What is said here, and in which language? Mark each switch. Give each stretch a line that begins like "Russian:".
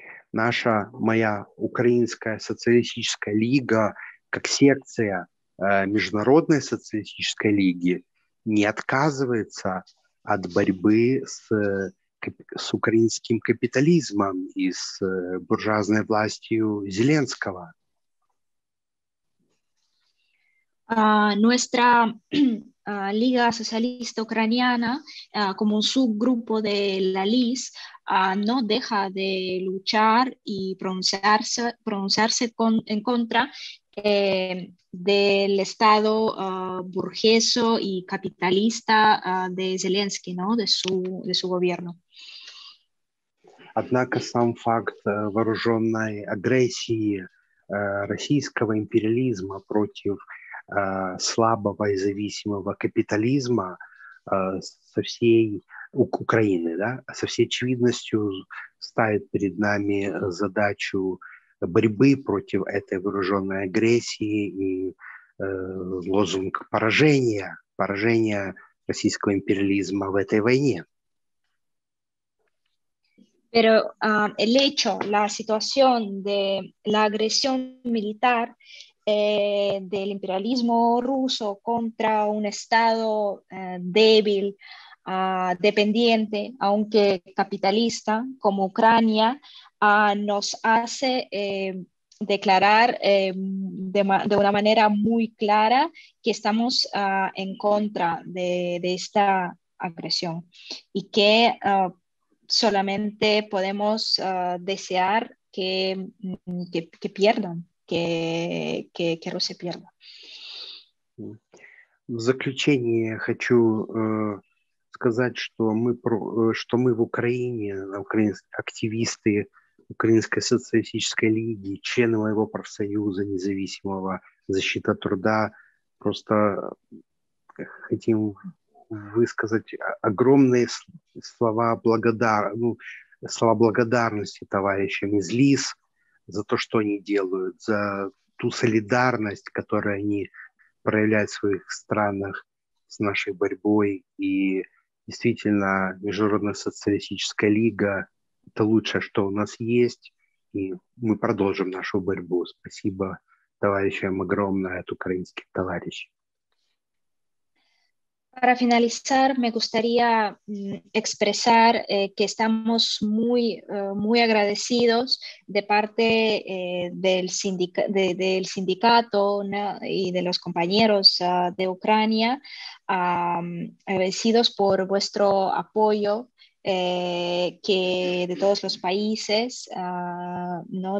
Russian: Наша, моя украинская социалистическая лига, как секция международной социалистической лиги, не отказывается от борьбы с украинским капитализмом и с буржуазной властью Зеленского.
Spanish: Nuestra Лига Социалиста Украина, como un subgrupo de la LIS, no deja de luchar y pronunciarse en contra del Estado burgueso y capitalista de Zelensky, ¿no? de su gobierno.
Russian: Однако сам факт вооруженной агрессии российского империализма против слабого и зависимого капитализма со всей Украины, да, со всей очевидностью ставит перед нами задачу борьбы против этой вооруженной агрессии и лозунг поражения российского империализма в этой войне.
Spanish: Pero el hecho, la situación de la agresión militar del imperialismo ruso contra un estado débil, dependiente, aunque capitalista, como Ucrania, nos hace declarar de una manera muy clara que estamos en contra de esta agresión y que solamente podemos desear que pierdan. Que Rusia pierda.
Russian: В заключение хочу сказать, что мы в Украине, активисты Украинской социалистической лиги, члены моего профсоюза независимого защита труда, просто хотим высказать огромные слова благодарности товарищам из ЛИС, за то, что они делают, за ту солидарность, которую они проявляют в своих странах с нашей борьбой. И действительно, Международная социалистическая лига – это лучшее, что у нас есть. И мы продолжим нашу борьбу. Спасибо товарищам огромное от украинских товарищей.
Spanish: Para finalizar, me gustaría expresar que estamos muy, muy agradecidos de parte del sindicato, ¿no? y de los compañeros de Ucrania, agradecidos por vuestro apoyo que de todos los países, ¿no?